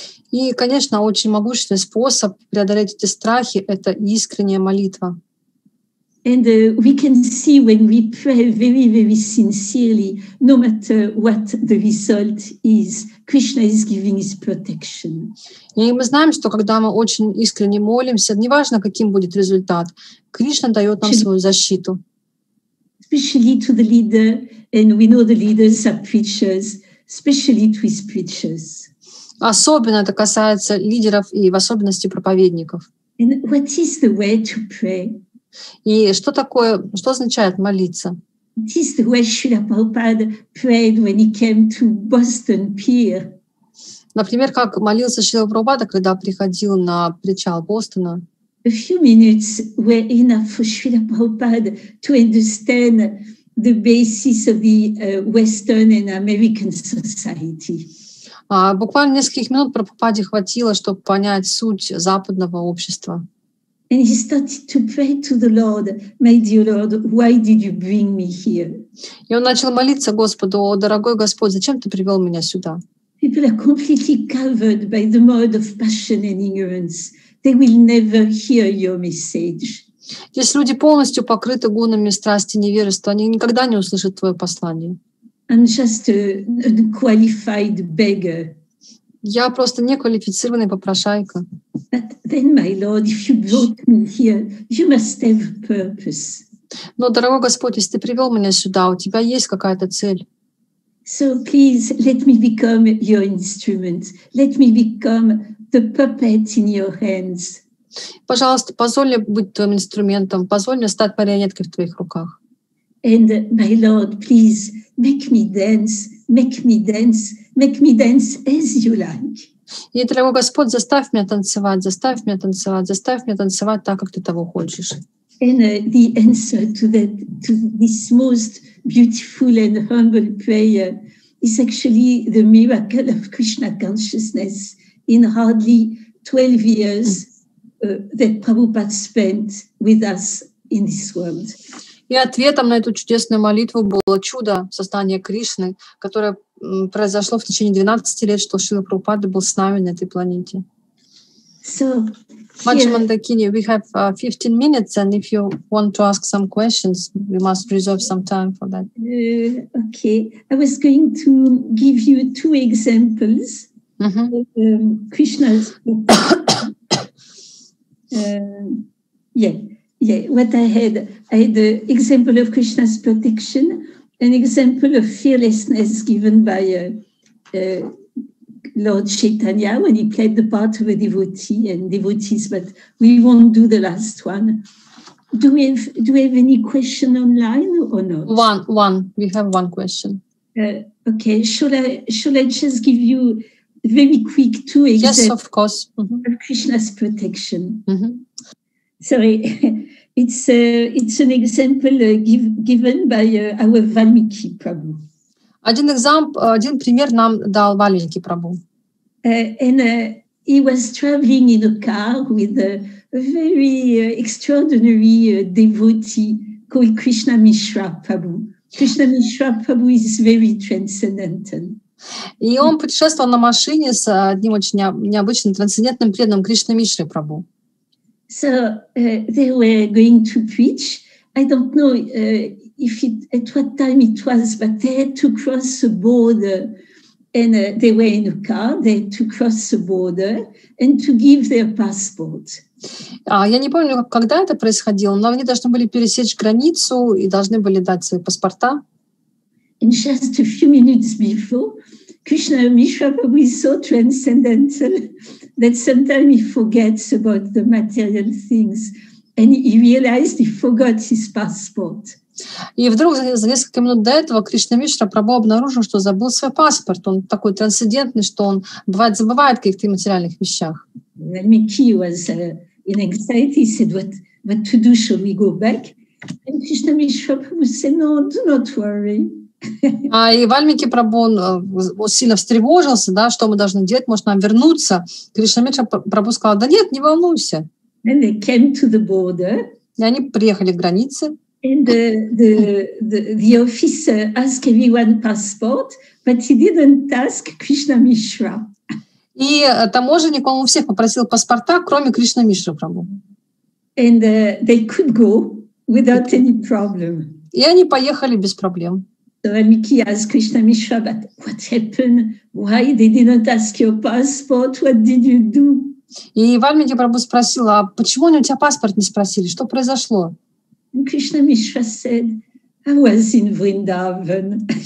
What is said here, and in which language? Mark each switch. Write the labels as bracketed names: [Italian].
[Russian] И, конечно, очень могущественный способ преодолеть эти страхи — это искренняя молитва. [English] And we can see when we pray very, very sincerely, no matter what the result is, Krishna is giving his protection. [Russian] И мы знаем, что когда мы очень искренне молимся, неважно, каким будет результат, Кришна дает нам свою защиту. [English] Especially to the leader, and we know the leaders are preachers, especially to his preachers. [Russian] Особенно это касается лидеров и в особенности проповедников. [English] And what is the way to pray? [Russian] И что такое, что означает молиться? [English] It is the way Srila Prabhupada prayed when he came to Boston Pier. [Russian] Например, как молился Шрила Прабхупада, когда приходил на причал Бостона. [English] A few minutes were enough for Srila Prabhupada to understand the basis of the Western and American society. [Russian] Буквально нескольких минут Прабхупаде хватило, чтобы понять суть западного общества. [English] And he started to pray to the Lord, my dear Lord, why did you bring me here? [Russian] И он начал молиться Господу, о дорогой Господь, зачем ты привел меня сюда? [English] People are completely covered by the mud of passion and ignorance. They will never hear your message. [Russian] Если люди полностью покрыты гунами страсти и невежества, они никогда не услышат твое послание. [English] I'm just an unqualified beggar. [Russian] Я просто неквалифицированный попрошайка. [English] But then, my Lord, if you brought me here, you must have a purpose. [Russian] Но, дорогой Господь, если ты привел меня сюда, у тебя есть какая-то цель. [English] So please let me become your instrument. Let me become the puppet in your hands. [Russian] Пожалуйста, позволь мне быть твоим инструментом. Позволь мне стать марионеткой в твоих руках. [English] And my Lord, please make me dance. Make me dance. Make me dance as you like. [Russian] И, дорогой Господь, заставь меня танцевать, заставь меня танцевать, заставь меня танцевать так, как ты того хочешь. [English] And the answer to this most beautiful and humble prayer is actually the miracle of Krishna consciousness in hardly 12 years that Prabhupada spent with us in this world. [Russian] И ответом на эту чудесную молитву было чудо создания Кришны, которое произошло в течение 12 лет, что Шрила Прабхупада был с нами на этой планете. [English] So, Madhya Mandakini, we have 15 minutes, and if you want to ask some questions, we must reserve some time for that. Okay, I was going to give you two examples. Krishna's what I had the example of Krishna's protection, an example of fearlessness given by Lord Chaitanya when he played the part of a devotee and devotees, but we won't do the last one. Do we have any question online or not? We have one question. Shall I just give you very quick two examples? Yes, of course. Mm-hmm. Of Krishna's protection. Mm-hmm. Sorry. It's an example given by our Valmiki Prabhu. [Russian] Один пример нам дал Валмики Прабху. [English] He was traveling in a car with a very extraordinary devotee called Krishna Mishra Prabhu. Krishna Mishra Prabhu is very transcendental. [Russian] И он путешествовал на машине с одним очень необычным, трансцендентным преданным Кришна Мишрой Прабху. [English] So they were going to preach. I don't know at what time it was, but they had to cross the border, and they were in a car. They had to cross the border and to give their passport. [Russian] Я не помню, когда это происходило, но они должны были пересечь границу и должны были дать свои паспорта. [English] And just a few minutes before, Krishna Mishra Prabhu is so transcendental that sometimes he forgets about the material things. And he realized he forgot his passport. [Russian] И вдруг за несколько минут до этого Кришна Мишра Прабху обнаружил, что забыл свой паспорт. Он такой трансцендентный, что он бывает забывает о каких-то материальных вещах. [English] Valmiki was in anxiety. He said, what to do? Shall we go back? And Krishna Mishra Prabhu said, no, do not worry. [Russian] А и Вальмики Прабху сильно встревожился, да, что мы должны делать, может нам вернуться. Кришна Мишра Прабху сказал, да нет, не волнуйся. [English] And they came to the border. [Russian] И они приехали к границе. [English] And the officer asked everyone passport, but he didn't ask Krishna Mishra. [Russian] И таможенник у всех попросил паспорта, кроме Кришна Мишра Прабху. [English] And they could go without any problem. [Russian] И они поехали без проблем. [English] So Valmiki asked Krishna Mishra, but what happened? Why they didn't ask your passport? What did you do? [Russian] И Вальмики Прабху спросил, а почему они у тебя паспорт не спросили? Что произошло? [English] And Krishna Mishra said, I was in Vrindavan.